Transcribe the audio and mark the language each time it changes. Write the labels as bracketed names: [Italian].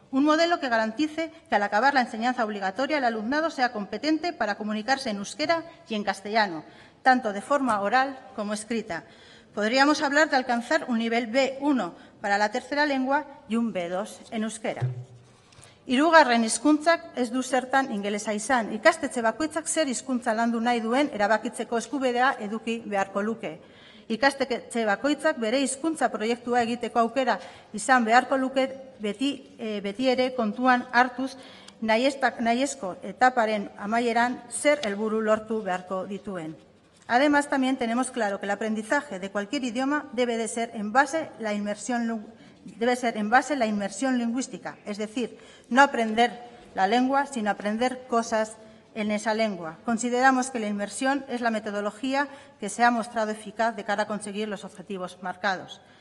[Spanish] Un modelo que garantice que al acabar la enseñanza obligatoria el alumnado sea competente para comunicarse en euskera y en castellano, tanto de forma oral como escrita. Podríamos hablar de alcanzar un nivel B1 para la tercera lengua y un B2 en euskera. [Basque] Hirugarren hizkuntzak ez du zertan ingelesa izan. Ikastetxe bakoitzak zer hizkuntza landu nahi duen erabakitzeko eskubidea eduki beharko luke. Ikastetxe bakoitzak bere hizkuntza proiektua egiteko aukera izan beharko luke beti ere kontuan hartuz nahiezko etaparen amaieran zer helburu lortu beharko dituen. [Spanish] Además, también tenemos claro que el aprendizaje de cualquier idioma debe ser en base a la inmersión lingüística, es decir, no aprender la lengua, sino aprender cosas en esa lengua. Consideramos que la inmersión es la metodología que se ha mostrado eficaz de cara a conseguir los objetivos marcados.